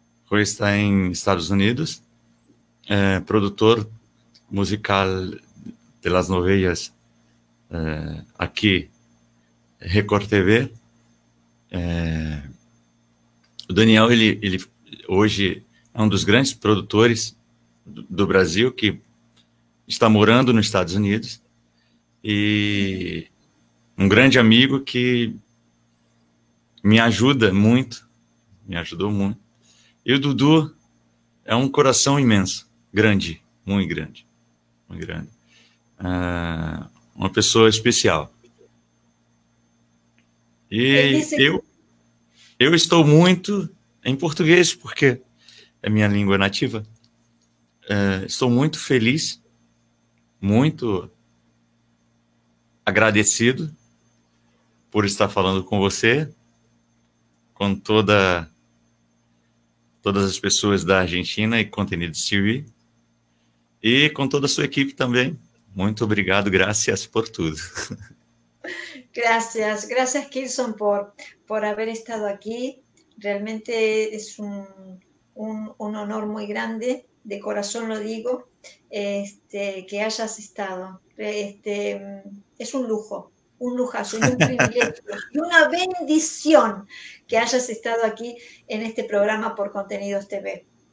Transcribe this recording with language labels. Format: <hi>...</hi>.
<es>Hoy está en Estados Unidos. Productor musical de las novelas aquí, Record TV.</es> <pt>Daniel, ele hoje é um dos grandes produtores do Brasil que está morando nos Estados Unidos e um grande amigo que me ajuda muito, me ajudou muito. E o Dudu é um coração imenso, grande, muito grande, muito grande. Uma pessoa especial. E eu estou muito em português, porque é minha língua nativa. Estou muito feliz, muito agradecido por estar falando com você, com todas as pessoas da Argentina e Contenido TV, e com toda a sua equipe também. Muito obrigado, graças por tudo.</pt> <es>Gracias, gracias Kilson por haber estado aquí. Realmente es un honor muy grande, de corazón lo digo, que hayas estado. Es un lujo, un lujazo, un privilegio y una bendición que hayas estado aquí en este programa por Contenidos TV.</es>